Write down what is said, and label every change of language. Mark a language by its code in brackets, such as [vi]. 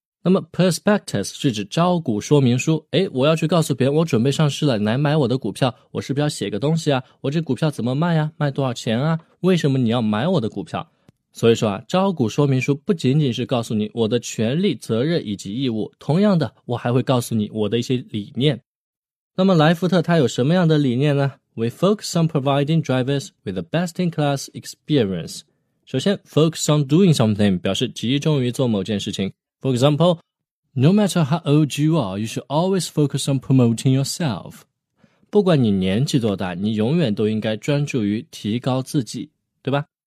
[zh] 那么 prospectus 是指招股说明书，诶，我要去告诉别人我准备上市了，来买我的股票，我是不是要写个东西啊？我这股票怎么卖啊？卖多少钱啊？为什么你要买我的股票？所以说啊，招股说明书不仅仅是告诉你我的权利、责任以及义务，同样的，我还会告诉你我的一些理念。那么莱福特他有什么样的理念呢？ [en] We focus on providing drivers with the best in class experience. [zh] 首先 [en] focus on doing something [zh] 表示集中于做某件事情。 [en] For example, no matter how old you are, you should always focus on promoting yourself. [zh] 不管你年纪多大，你永远都应该专注于提高自己，对吧？